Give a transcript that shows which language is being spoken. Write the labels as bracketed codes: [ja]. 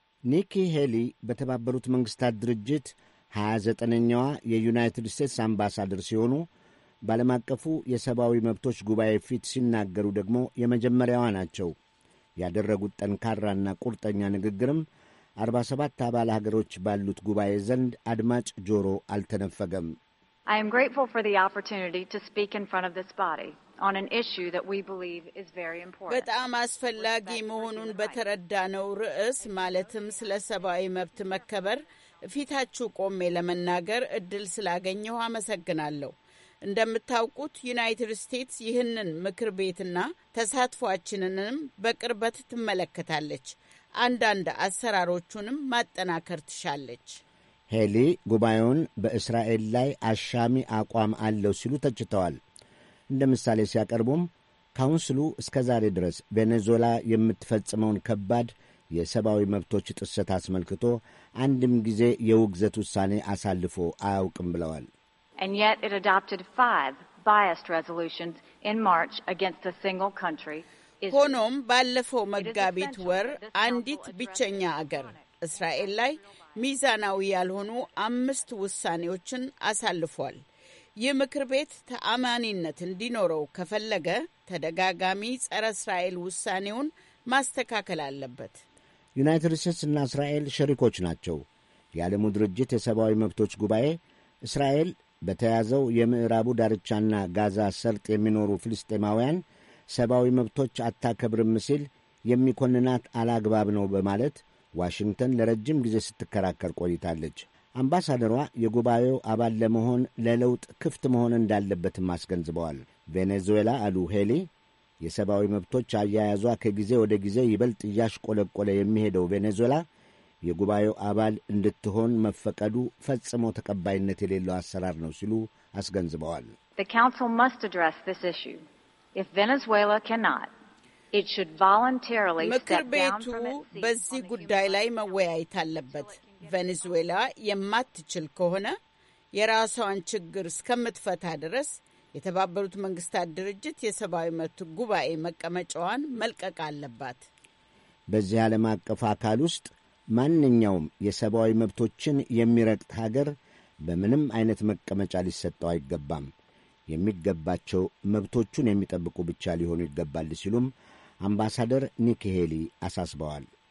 [am] ኒኪ ሄሊ በተባበሩት መንግሥታት ድርጅት 29ኛዋ የዩናይትድ ስቴትስ አምባሳደር ሲሆኑ በዓለም አቀፉ የሰብአዊ መብቶች ጉባኤ ፊት ሲናገሩ ደግሞ የመጀመሪያዋ ናቸው። ያደረጉት ጠንካራና ቁርጠኛ ንግግርም 47 አባል ሀገሮች ባሉት ጉባኤ ዘንድ አድማጭ ጆሮ አልተነፈገም። [en] I am grateful for the opportunity to speak in front of this body on an issue that we believe is very important. [am] በጣም አስፈላጊ መሆኑን በተረዳነው ርዕስ ማለትም ስለ ሰብአዊ መብት መከበር ፊታችሁ ቆሜ ለመናገር እድል ስላገኘሁ አመሰግናለሁ። እንደምታውቁት ዩናይትድ ስቴትስ ይህንን ምክር ቤትና ተሳትፏችንንም በቅርበት ትመለከታለች። አንዳንድ አሰራሮቹንም ማጠናከር ትሻለች። ሄሊ ጉባኤውን በእስራኤል ላይ አሻሚ አቋም አለው ሲሉ ተችተዋል። እንደ ምሳሌ ሲያቀርቡም ካውንስሉ እስከ ዛሬ ድረስ ቬኔዙዌላ የምትፈጽመውን ከባድ የሰብአዊ መብቶች ጥሰት አስመልክቶ አንድም ጊዜ የውግዘት ውሳኔ አሳልፎ አያውቅም ብለዋል። [en] And yet it adopted 5 biased resolutions in March against a single country. [am] ሆኖም ባለፈው መጋቢት ወር አንዲት ብቸኛ አገር እስራኤል ላይ ሚዛናዊ ያልሆኑ 5 ውሳኔዎችን አሳልፏል። ይህ ምክር ቤት ተአማኒነት እንዲኖረው ከፈለገ ተደጋጋሚ ጸረ እስራኤል ውሳኔውን ማስተካከል አለበት። ዩናይትድ ስቴትስ እና እስራኤል ሸሪኮች ናቸው። የዓለሙ ድርጅት የሰብአዊ መብቶች ጉባኤ እስራኤል በተያዘው የምዕራቡ ዳርቻና ጋዛ ሰርጥ የሚኖሩ ፍልስጤማውያን ሰብአዊ መብቶች አታከብርም ሲል የሚኮንናት አላግባብ ነው በማለት ዋሽንግተን ለረጅም ጊዜ ስትከራከር ቆይታለች። አምባሳደሯ የጉባኤው አባል ለመሆን ለለውጥ ክፍት መሆን እንዳለበትም አስገንዝበዋል። ቬኔዙዌላ አሉ ሄሊ፣ የሰብአዊ መብቶች አያያዟ ከጊዜ ወደ ጊዜ ይበልጥ እያሽቆለቆለ የሚሄደው ቬኔዙዌላ የጉባኤው አባል እንድትሆን መፈቀዱ ፈጽሞ ተቀባይነት የሌለው አሰራር ነው ሲሉ አስገንዝበዋል። [en] The council must address this issue. If Venezuela cannot, it should voluntarily step down from its seat. [am] በዚህ ጉዳይ ላይ መወያየት አለበት። ቬኔዙዌላ የማትችል ከሆነ የራሷን ችግር እስከምትፈታ ድረስ የተባበሩት መንግስታት ድርጅት የሰብአዊ መብት ጉባኤ መቀመጫዋን መልቀቅ አለባት። በዚህ ዓለም አቀፍ አካል ውስጥ ማንኛውም የሰብአዊ መብቶችን የሚረግጥ ሀገር በምንም አይነት መቀመጫ ሊሰጠው አይገባም። የሚገባቸው መብቶቹን የሚጠብቁ ብቻ ሊሆኑ ይገባል ሲሉም አምባሳደር ኒኪ ሄሊ አሳስበዋል።